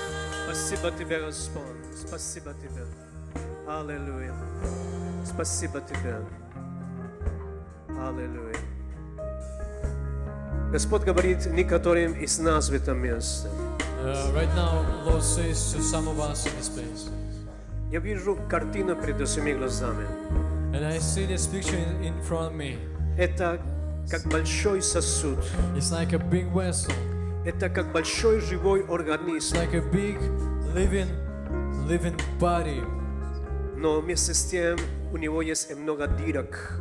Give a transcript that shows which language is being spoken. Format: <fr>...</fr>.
<ru>Спасибо тебе, Господь. Спасибо тебе. Аллилуйя. Спасибо тебе. Аллилуйя. Господь говорит некоторым из нас в этом месте.</ru> <en>Right now, Lord says to some of us in this place.</en> <ru>Я вижу картину перед своими глазами.</ru> <en>And I see this picture in front of me.</en> <ru>Это как большой сосуд.</ru> <en>It's like a big vessel.</en> <ru>Это как большой живой организм.</ru> <en>It's like a big living body.</en> <ru>Но вместе с тем у него есть много дырок.</ru>